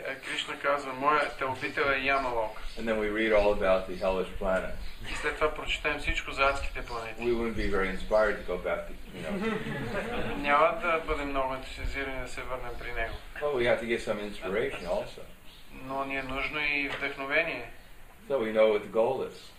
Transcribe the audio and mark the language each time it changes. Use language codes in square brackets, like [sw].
[bg] Кришна казва, моят обител е Ямалока. [en] And then we read all about the hellish planet. [bg] И след това прочитаем всичко за адските планети. [en] We wouldn't be very inspired to go back to, you know. [bg] Няма да бъдем много ентусиазирани да се върнем при него. [en] But we have to get some inspiration also. [bg] Но ни е нужно и вдъхновение. [en] So we know what the goal is.